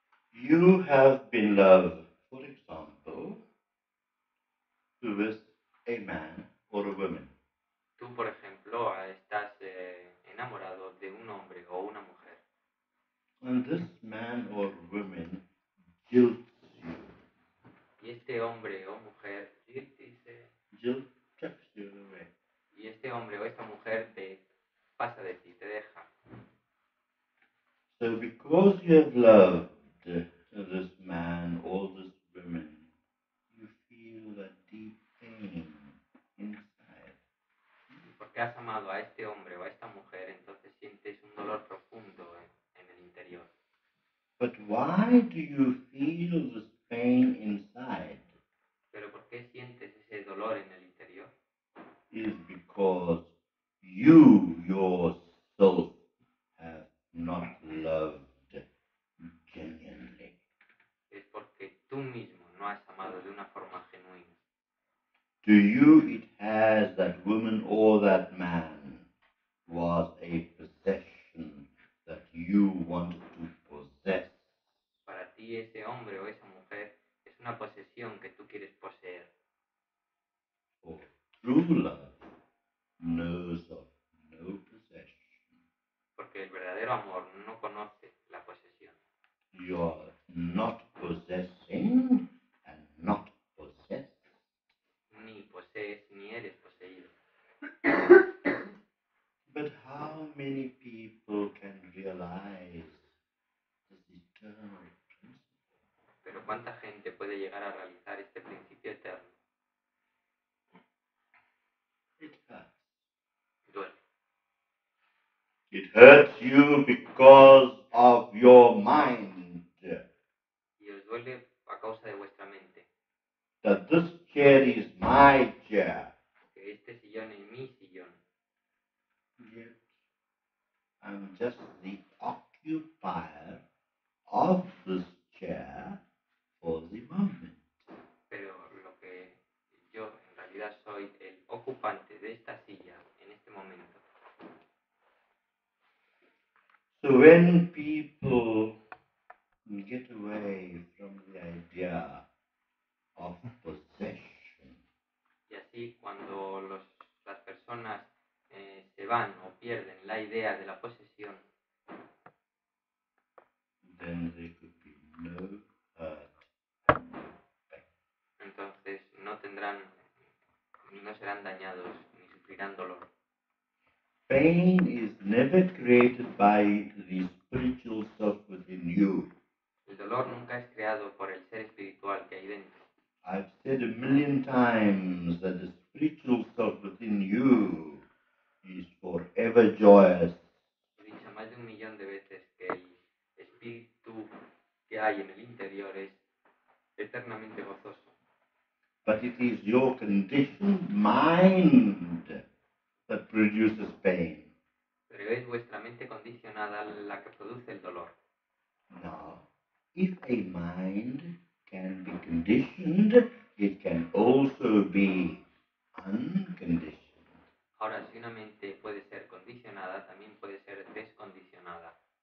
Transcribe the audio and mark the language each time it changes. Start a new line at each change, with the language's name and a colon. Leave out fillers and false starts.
English: You have been loved, for example, with a man or a woman.
Spanish: Tú, por ejemplo, estás enamorado de un hombre o una mujer.
English: And this man or woman guilts you.
Spanish: Y este hombre o mujer dice. Y este hombre o esta mujer te pasa de ti, te deja.
English: So because you have loved this man or this woman, you feel a deep pain inside.
Spanish: Porque has amado a este hombre o a esta mujer, entonces sientes un dolor profundo en el interior.
English: But why do you feel this pain inside?
Spanish: Pero ¿por qué sientes ese dolor en el interior?
English: Is because you yourself have not loved genuinely.
Spanish: Es porque tú mismo no has amado de una forma genuina.
English: To you it has that woman or that man was a possession that you wanted to possess.
Spanish: Para ti ese hombre o esa mujer es una posesión que tú quieres poseer.
English: For true love knows of no possession.
Spanish: Porque el verdadero amor no conoce la posesión.
English: You are not possessing and not possessed.
Spanish: Ni posees ni eres poseído.
English: But how many people can realize this eternal principle?
Spanish: Pero ¿cuánta gente puede llegar a realizar este principio eterno?
English: It hurts you because of your mind.
Spanish: Y os duele a causa de vuestra mente.
English: That this chair is my chair.
Spanish: Que este sillón es mi sillón.
English: Yet I'm just the occupier of this chair for the moment.
Spanish: Pero lo que yo en realidad soy el ocupante de esta silla en este momento.
English: So when people get away from the idea of possession,
Spanish: y así cuando las personas se van o pierden la idea de la posesión,
English: then there could be no hurt.
Spanish: Entonces no tendrán, no serán dañados ni sufrirán dolor.
English: Pain is never created by the spiritual self within you.
Spanish: El dolor nunca es creado por el ser espiritual que hay dentro.
English: I've said a million times that the spiritual self within you is forever joyous.
Spanish: He dicho más de un millón de veces que el espíritu que hay en el interior es eternamente gozoso.
English: But it is your conditioned mind that produces pain.
Spanish: Pero es vuestra mente condicionada la que produce el dolor.
English: Now, if a mind can be conditioned, it can also be unconditioned.
Spanish: Ahora, si una mente puede ser condicionada, también puede ser descondicionada.